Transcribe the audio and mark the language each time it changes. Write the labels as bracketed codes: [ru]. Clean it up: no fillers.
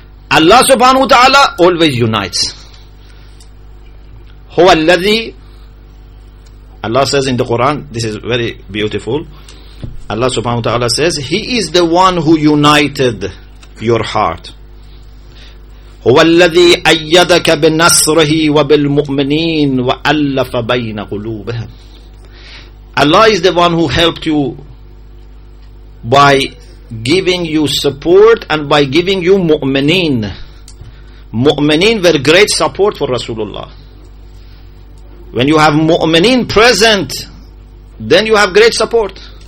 [en] Allah subhanahu wa ta'ala always unites. [ar] Huwa alladhi, [en] Allah says in the Quran, this is very beautiful. Allah subhanahu wa ta'ala says, he is the one who united your heart. [ar] هو الذي أيدك بنصره وبالمؤمنين وألف بين قلوبهم. [en] Allah is the one who helped you by giving you support and by giving you mu'mineen. Mu'mineen were great support for Rasulullah. When you have mu'mineen present, then you have great support.